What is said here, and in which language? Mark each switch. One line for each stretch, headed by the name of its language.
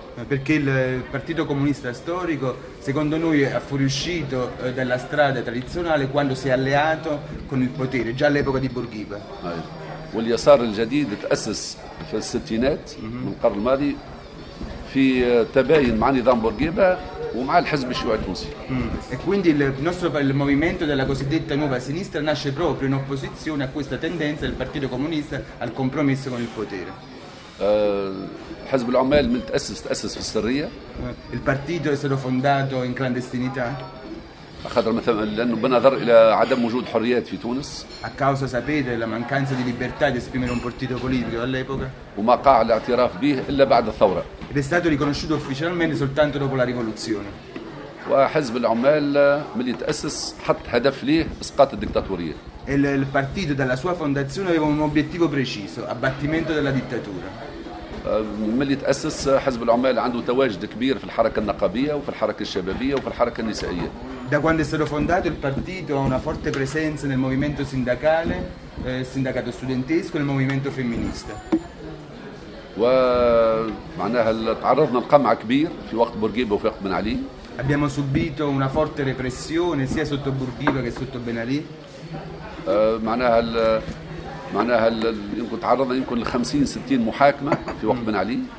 Italian: Perché il Partito Comunista storico, secondo noi, è fuoriuscito dalla strada tradizionale quando si è alleato con il potere, già all'epoca di Bourguiba.
Arabic: واليسار الجديد تأسس في الستينات من القرن الماضي في تباين مع نظام بورقيبة ومع الحزب الشيوعي التونسي.
Italian: E quindi il nostro il movimento della cosiddetta nuova sinistra nasce proprio in opposizione a questa tendenza del Partito Comunista al compromesso con il potere.
Arabic: حزب العمال من تأسس في السرية.
Italian: Il partito è stato fondato in clandestinità.
Arabic: خاطر مثلا لأنه بنظر إلى عدم وجود حريات في تونس.
Italian: A causa sapete la mancanza di libertà di esprimere un partito politico all'epoca.
Arabic: وما قاع الاعتراف به إلا بعد الثورة.
Italian: Ed è stato riconosciuto ufficialmente soltanto dopo la rivoluzione.
Arabic: وحزب العمال من يتأسس حط هدف ليه إسقاط الدكتاتورية.
Italian: E il partito dalla sua fondazione aveva un obiettivo preciso, abbattimento della dittatura.
Arabic: من يتأسس حزب العمال عنده تواجد كبير في الحركة النقابية وفي الحركة الشبابية وفي الحركة النسائية.
Italian: Da quando è stato fondato il partito ha una forte presenza nel movimento sindacale, sindacato studentesco e nel movimento femminista.
Arabic: ومعناها تعرضنا لقمع كبير في وقت بورقيبة وفي وقت بن علي.
Italian: Abbiamo subito una forte repressione sia sotto Bourguiba che sotto Ben Ali.
Arabic: معناها يمكن تعرضنا يمكن ل 50 60 محاكمة في وقت بن علي.